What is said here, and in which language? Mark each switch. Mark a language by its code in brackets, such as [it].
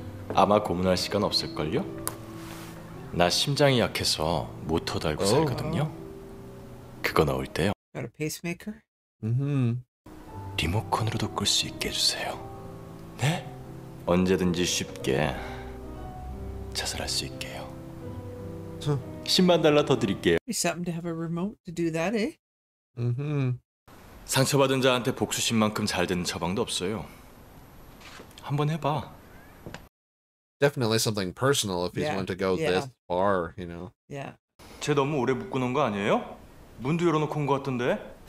[ko] 아마 고문할 시간 없을걸요? 나 심장이 약해서 모터 달고 [en] oh. [ko] 살거든요. 그거 넣을 때요. [en] Got a pacemaker? [ko] 리모컨으로도 끌 수 있게 해주세요. 네? 언제든지 쉽게 자살할 수 있게요. 10만 달러 더 드릴게요. [en] It's something to have a remote to do that, eh? [ko] 상처받은 자한테 복수심 만큼 잘 되는 처방도 없어요. 한번 해봐. [en] Definitely something personal if he's yeah. willing to go yeah. this far, you know. Yeah. [ko] 쟤 너무 오래 묶어놓은 거 아니에요? 문도 열어놓고 온 거 같던데?